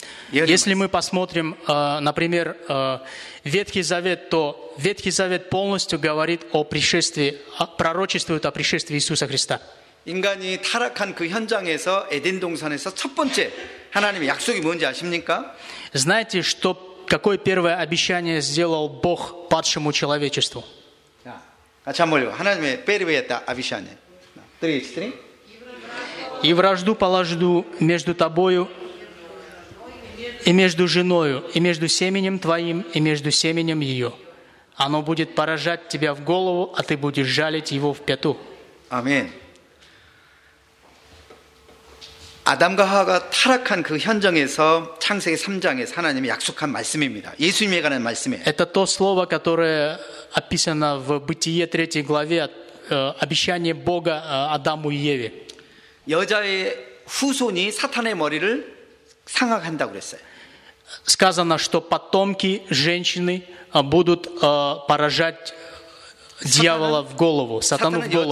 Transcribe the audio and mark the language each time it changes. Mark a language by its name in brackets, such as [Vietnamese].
[Russian] Если мы посмотрим, например, Ветхий Завет, то Ветхий Завет полностью говорит о пришествии, пророчествует о пришествии Иисуса Христа. [Korean] 인간이 타락한 그 현장에서 에덴 동산에서 첫 번째 하나님의 약속이 뭔지 아십니까? [Russian] Знаете, что какое первое обещание сделал Бог падшему человечеству? [Korean] 자, 같이 한번 읽어. [Russian] 하나님의 первое обещание. 3, 3. И вражду положу между тобою и между женою, и между семенем твоим, и между семенем ее. Оно будет поражать тебя в голову, а ты будешь жалить его в пяту. Аминь. [Korean] Адам과 하와가 타락한 그 현장에서 창세기 3장에서 하나님이 약속한 말씀입니다. 예수님에 관한 말씀이에요. [Russian] Это то слово, которое описано в Бытие 3 главе, обещание Бога Адаму и Еве. [Korean] 여자의 후손이 사탄의 머리를 상악한다고 그랬어요. [Russian] Сказано, что потомки женщины будут поражать дьявола в голову, сатану в голову.